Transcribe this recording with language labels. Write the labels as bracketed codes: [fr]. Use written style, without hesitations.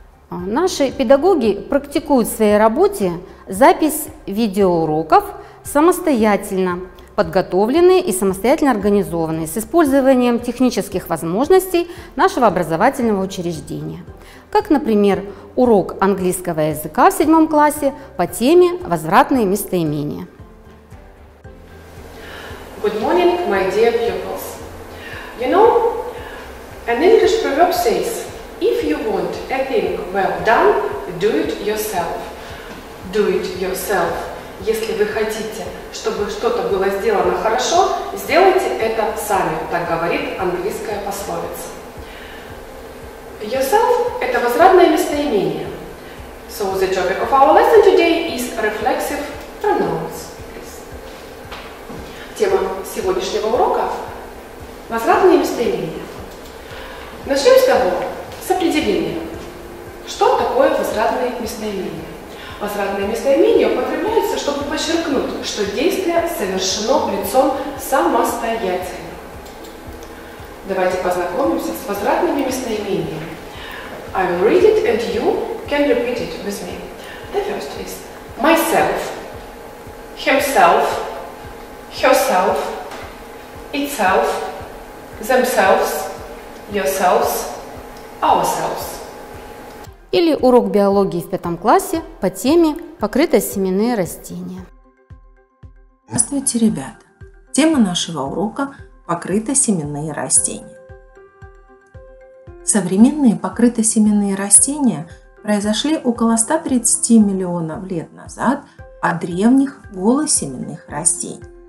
[ru] Наши педагоги практикуют в своей работе запись видеоуроков самостоятельно подготовленные и самостоятельно организованные с использованием технических возможностей нашего образовательного учреждения. Как, например, урок английского языка в 7 классе по теме «Возвратные местоимения». [en] Good morning, my dear pupils. You know, an English proverb says, if you want a thing well done, do it yourself. Do it yourself. [ru] Если вы хотите, чтобы что-то было сделано хорошо, сделайте это сами, так говорит английская пословица. Yourself – это возвратное местоимение. [en] So the topic of our lesson today is reflexive pronouns. [ru] Тема сегодняшнего урока – возвратные местоимения. Начнем с того, с определения. Что такое возвратные местоимения? Возвратные местоимения употребляются, чтобы подчеркнуть, что действие совершено лицом самостоятельно. Давайте познакомимся с возвратными местоимениями. [en] I will read it and you can repeat it with me. The first is myself, himself, herself, itself, themselves, yourselves, ourselves. [ru] Или урок биологии в 5 классе по теме «Покрытосеменные растения». Здравствуйте, ребята! Тема нашего урока – покрытосеменные растения. Современные покрытосеменные растения произошли около 130 миллионов лет назад от древних голосеменных растений.